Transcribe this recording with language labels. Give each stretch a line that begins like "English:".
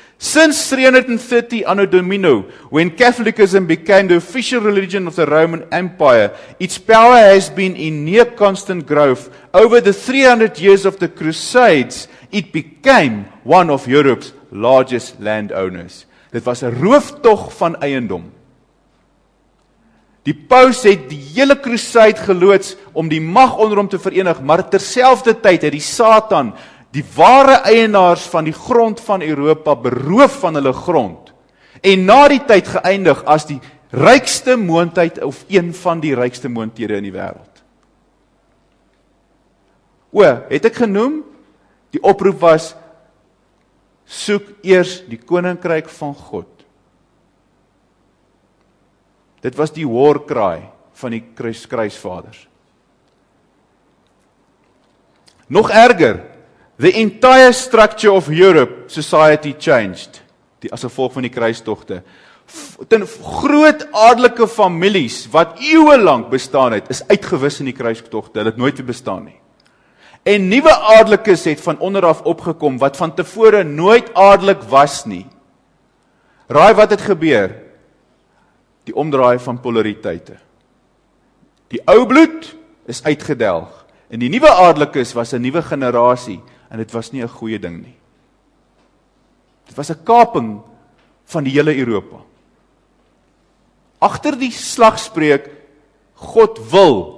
English: Since 330 Anno Domini, when Catholicism became the official religion of the Roman Empire, its power has been in near constant growth. Over the 300 years of the Crusades, it became one of Europe's largest landowners.
Afrikaans: Dit was 'n rooftog van eiendom. Die paus het die hele Crusade geloods om die mag onder hom te verenig, maar terselfdertyd het die Satan die ware eienaars van die grond van Europa beroof van hulle grond en na die tyd geëindig as die rykste moondheid of een van die rykste moondhede in die wêreld. O, het ek genoem, die oproep was, soek eers die koninkryk van God. Dit was die war cry van die kruisvaders. Nog erger,
English: the entire structure of Europe society changed,
Afrikaans: die as gevolg van die kruistogte. Ten groot adellike families, wat eeuwe lang bestaan het, is uitgewis in die kruistogte, hulle het nooit weer bestaan nie. En nuwe adellikes het van onderaf opgekom, wat van tevore nooit adellik was nie. Raai wat het gebeur? Die omdraai van polariteite. Die ou bloed is uitgedelg, en die nuwe adellikes was 'n nuwe generasie, en dit was nie 'n goeie ding nie. Dit was 'n kaping van die hele Europa. Agter die slagspreuk, God wil,